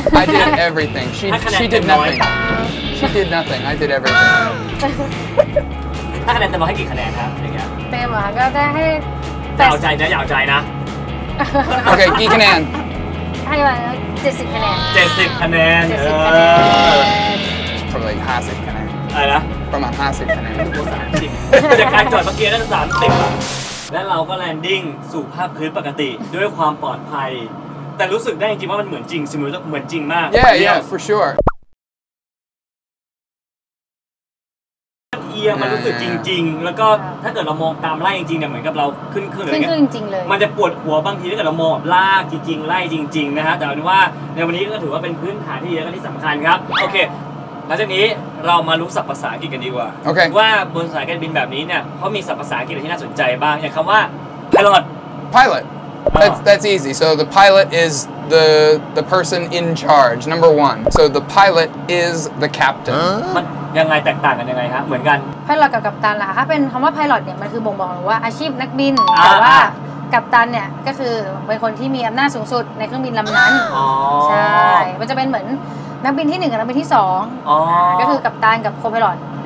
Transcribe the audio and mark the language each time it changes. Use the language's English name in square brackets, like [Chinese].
[English] I did everything she did nothing she did nothing I did everything [Thai] ถ้าคะแนนจะมาให้กี่คะแนนครับ อย่างเงี้ ย เต็มหรอก็ได้ให้ เอาใจนะเอาใจนะ โอเคกี่คะแนน ให้มา70คะแนน 70คะแนน 70คะแนน probably 50คะแนนอะ ไรนะ ประมาณ50คะแนน จากการจอดเมื่อกี้นั่น30และเราก็แลนดิ้งสู่ภาพพื้นปกติด้วยความปลอดภัยแต่รู้สึกได้จริงว่ามันเหมือนจริงสมมุติว่าเหมือนจริงมาก [English] Yeah yeah for sure [Thai] มันเอียงมันรู้สึกจริงๆแล้วก็ถ้าเกิดเรามองตามไล่จริงๆเนี่ยเหมือนกับเราขึ้น ขึ้ นเลย ขึ้นจริงๆเลย มันจะปวดหัวบางทีถ้าเกิดเรามองลากจริงๆไล่จริงๆนะฮะแต่เอาเป็นว่าในวันนี้ก็ถือว่าเป็นพื้นฐานที่เยอะและที่สำคัญครับโอเคหลังจากนี้เรามารู้ศัพท์ภาษาอังกฤษกันดีกว่า [English] okay. [Thai] ว่าบนสายการบินแบบนี้เนี่ยเขามีศัพท์ภาษาอังกฤษที่น่าสนใจบ้างอย่างคำว่า pilot [English] pilot that's easy so the pilot is the person in charge number one so the pilot is the captain [Thai] มันยังไงแตกต่างกันยังไงฮะเหมือนกัน pilot กับกัปตันล่ะถ้าเป็นคำว่า pilot เนี่ยมันคือบ่งบอกว่าอาชีพนักบินแต่ว่ากัปตันเนี่ยก็คือเป็นคนที่มีอำนาจสูงสุดในเครื่องบินลำนั้นใช่มันจะเป็นเหมือนนักบินที่1กับนักบินที่2ก็คือกัปตันกับโคไพลอต